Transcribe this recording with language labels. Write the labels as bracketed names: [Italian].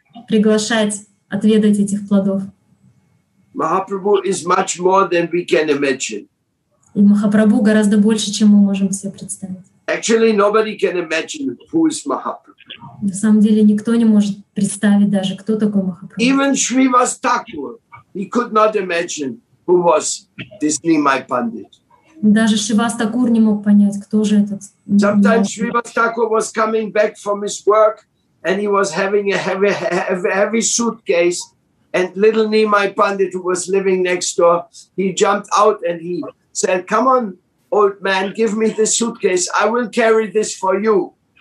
[Russian] приглашать отведать этих плодов. [English] Махапрабху is much more than we can imagine. [Russian] И Махапрабху гораздо больше, чем мы можем себе представить. [English] Actually, nobody can imagine who is Mahaprabhu. [Russian] На самом деле никто не может представить даже, кто такой Махапрабху. [English] Even Shrivas Thakur, he could not imagine who was this Nimai Pandit. [Russian] Даже Шривас Такур не мог понять, кто же этот. [English] Sometimes Shrivas Thakur was coming back from his work and he was having a heavy suitcase and little Nimai Pandit who was living next door, he jumped out and he said, come on, old man, give me this suitcase, I will carry this for you.